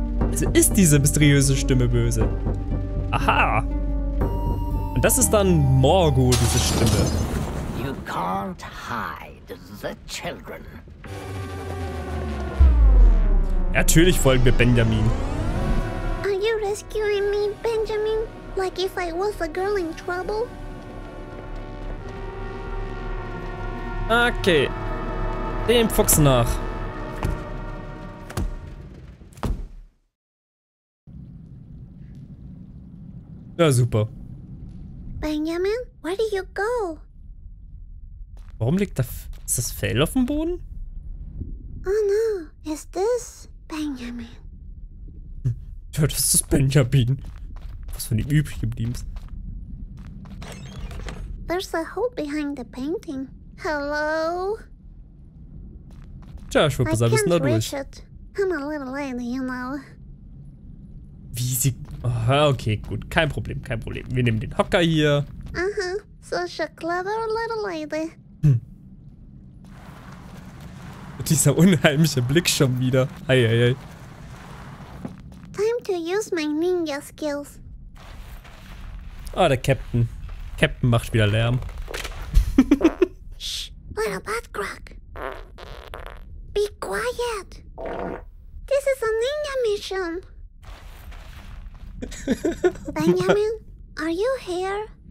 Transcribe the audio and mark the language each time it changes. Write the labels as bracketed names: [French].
[German] Also ist diese mysteriöse Stimme böse. Aha. Und das ist dann Morgo, diese Stimme. [English] Can't hide the children. [German] Natürlich folgen wir Benjamin. [English] Are you rescuing me, Benjamin? Like if I was a girl in trouble? [German] Okay. Dem Fuchs nach. Ja, super. [English] Benjamin, where do you go? [German] Warum liegt da... Ist das Fell auf dem Boden? [English] Oh no, is this Benjamin? [German] Ja, das ist Benjamin. Was von ihm übrig geblieben ist. [English] There's a hole behind the painting. Hello? [German] Tja, ich würde sagen, wir sind da durch. [English] I'm a little lady, you know. [German] Wie sie... Aha, okay, gut. Kein Problem. Wir nehmen den Hocker hier. [English] Aha, such a clever little lady. [German] Dieser unheimliche Blick schon wieder. Eieiei. [English] Time to use my ninja skills. [German] Oh, der Captain. Captain macht wieder Lärm. [English] Shh, little bad crack. Be quiet. This is a ninja mission. Benjamin, are you here?